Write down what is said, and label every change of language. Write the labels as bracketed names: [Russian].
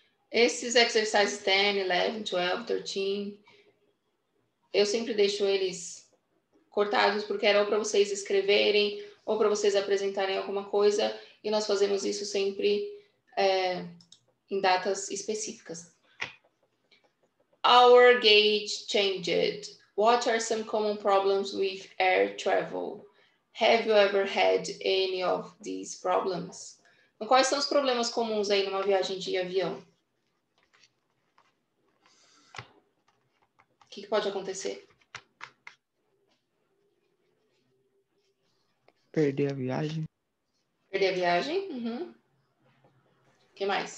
[Portuguese] Esses exercises 10, 11, 12, 13, eu sempre deixo eles cortados, porque era ou para vocês escreverem, ou para vocês apresentarem alguma coisa, e nós fazemos isso sempre em datas específicas. [English] Our gauge changed. What are some common problems with air travel? Have you ever had any of these problems? [Portuguese] Então, quais são os problemas comuns aí numa viagem de avião? O que pode acontecer? Perder a viagem. Perder a viagem? Uhum. O que mais?